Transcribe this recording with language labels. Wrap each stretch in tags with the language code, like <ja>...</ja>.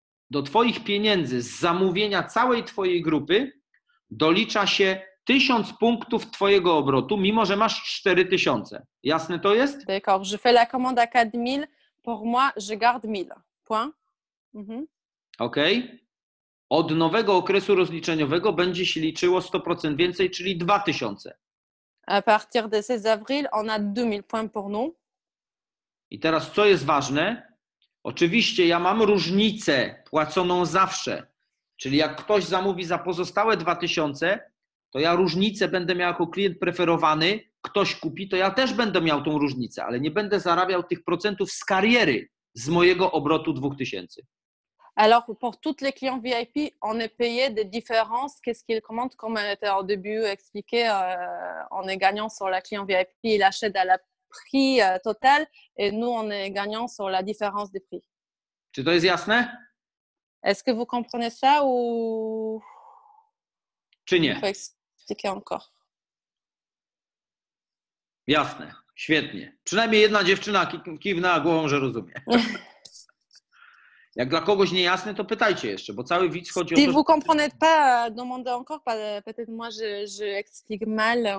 <pl>Do twoich pieniędzy z zamówienia całej twojej grupy dolicza się 1000 punktów twojego obrotu, mimo że masz 4000. Jasne to jest?</pl> <fr>D'accord. Je fais la commande à 4000. Pour moi, je garde 1000. Point. OK.</fr> <pl>Od nowego okresu rozliczeniowego będzie się liczyło 100% więcej, czyli 2000.</pl> <fr>À partir de 16 avril, on a 2000 points pour nous.</fr> <pl>I teraz, co jest ważne? Oczywiście ja mam różnicę płaconą zawsze. Czyli jak ktoś zamówi za pozostałe 2000, to ja różnicę będę miał jako klient preferowany, ktoś kupi, to ja też będę miał tą różnicę, ale nie będę zarabiał tych procentów z kariery, z mojego obrotu 2000. Alors, pour tous les clients VIP, on est payé des différences, qu'est-ce qu'il commande, comme on était au début expliqué, on est gagnant sur la client VIP, il achète à la prix total, et nous, on est gagnant sur la différence des prix. Czy to jest jasne?</pl> <fr>Est-ce que vous comprenez ça, ou...</fr> <pl>Czy nie?</pl> <fr>Expliquer.</fr> <pl>Jasne, świetnie. Przynajmniej jedna dziewczyna kiwnęła głową, że rozumie. Jak dla kogoś niejasne, to pytajcie jeszcze, bo cały widz chodzi Steve, o to...</pl> <fr>Si vous comprenez pas, demandez encore, peut-être moi je explique mal.</fr>